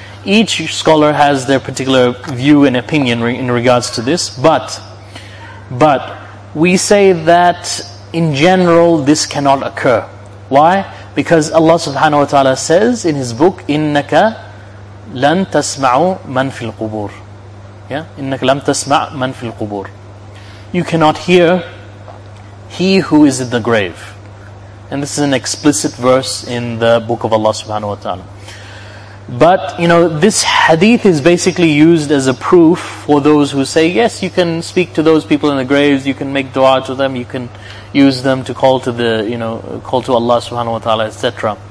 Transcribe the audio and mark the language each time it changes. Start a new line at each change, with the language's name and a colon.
English: Each scholar has their particular view and opinion in regards to this, but we say that in general this cannot occur. Why? Because Allah subhanahu wa ta'ala says in His book,
Arabic: إِنَّكَ لَن تَسْمَعُ مَن فِي الْقُبُورِ.
English: Yeah,
Arabic: إِنَّكَ لَمْ تَسْمَعْ مَن فِي الْقُبُورِ.
English: You cannot hear he who is in the grave. And this is an explicit verse in the book of Allah subhanahu wa ta'ala. But, you know, this hadith is basically used as a proof for those who say, yes, you can speak to those people in the graves, you can make dua to them, you can use them to call to the, you know, call to Allah subhanahu wa ta'ala, etc.